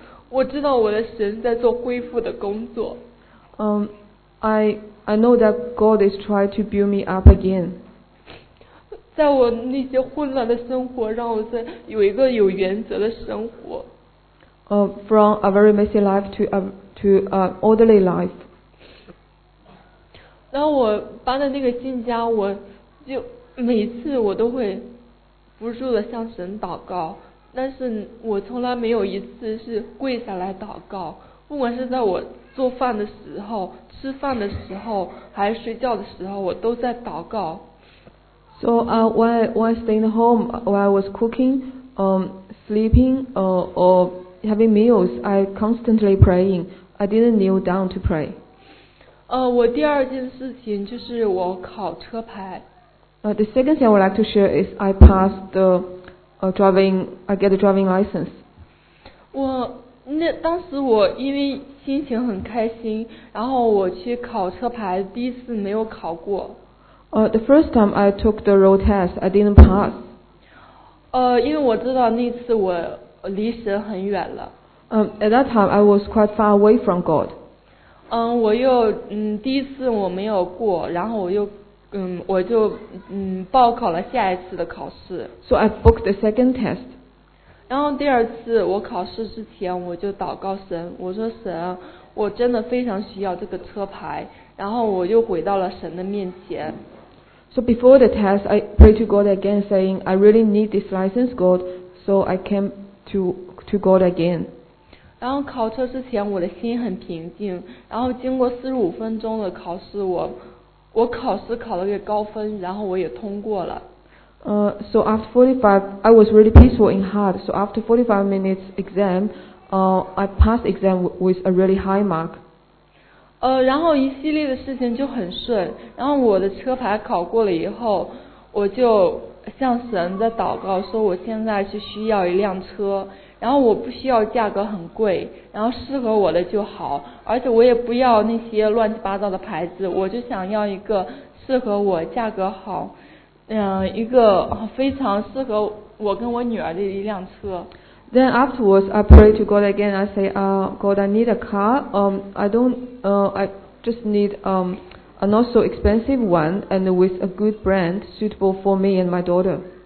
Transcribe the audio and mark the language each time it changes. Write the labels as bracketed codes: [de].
[zh] 我知道我的神在做恢复的工作。 [en] I know that God is trying to build me up again. [zh] 在我那些混乱的生活，让我在有一个有原则的生活。 [en] From a very messy life to a orderly life. [zh] 然后我搬的那个新家，我就每次我都会不住的向神祷告。但是我从来没有一次是跪下来祷告，不管是在我做饭的时候、吃饭的时候，还是睡觉的时候，我都在祷告。 [en] So when I stayed home, while I was cooking, sleeping, or having meals, I constantly praying. I didn't kneel down to pray. [zh] 我第二件事情就是我考车牌。 [en] The second thing I would like to share is I passed the. I get a driving license. [zh] 我那当时我因为心情很开心，然后我去考车牌，第一次没有考过。 [en] The first time I took the road test, I didn't pass. [zh] 因为我知道那次我离神很远了。 [en] At that time I was quite far away from God. [zh] 我又第一次我没有过，然后我又。我就报考了下一次的考试。 [en] So I booked the second test. [zh] 然后第二次我考试之前我就祷告神，我说神，我真的非常需要这个车牌，然后我就回到了神的面前。 [en] So before the test, I prayed to God again, saying, I really need this license, God, so I came to God again. [zh] 然后考车之前我的心很平静，然后经过45分钟的考试，我考试考了一个高分，然后我也通过了。 [en] So after 45, I was really peaceful in heart. So after 45 minutes exam, I passed exam with a really high mark. [zh] 然后一系列的事情就很顺。然后我的车牌考过了以后，我就向神在祷告，说我现在是需要一辆车，然后我不需要价格很贵，然后适合我的就好，而且我也不要那些乱七八糟的牌子，我就想要一个适合我、价格好。一个非常适合我跟我女儿的一辆车。 [en] Then afterwards, I pray to God again. I say, God, I need a car. I just need a not so expensive one and with a good brand suitable for me and my daughter.